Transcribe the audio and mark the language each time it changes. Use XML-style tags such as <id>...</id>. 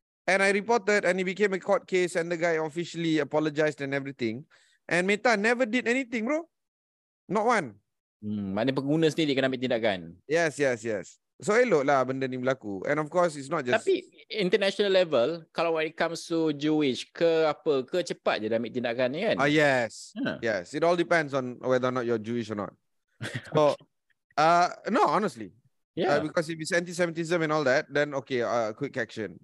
<en>And I reported and it became a court case and the guy officially apologized and everything. And Meta never did anything, bro. Not one.</en> <ms>Maknanya pengguna sendiri kena ambil tindakan.</ms> <en>Yes, yes, yes. So</en> <ms>elok lah benda ni berlaku.</ms> <en>And of course, it's not just...</en> <ms>Tapi</ms> <en>international level,</en> <ms>kalau</ms> <en>when it comes to Jewish</en> <ms>ke apa ke, cepat je dah ambil tindakan ni kan?</ms> <en>Yes. Huh. Yes, it all depends on whether or not you're Jewish or not. So, no, honestly. Yeah. Because if it's anti-Semitism and all that, then okay, quick action.</en>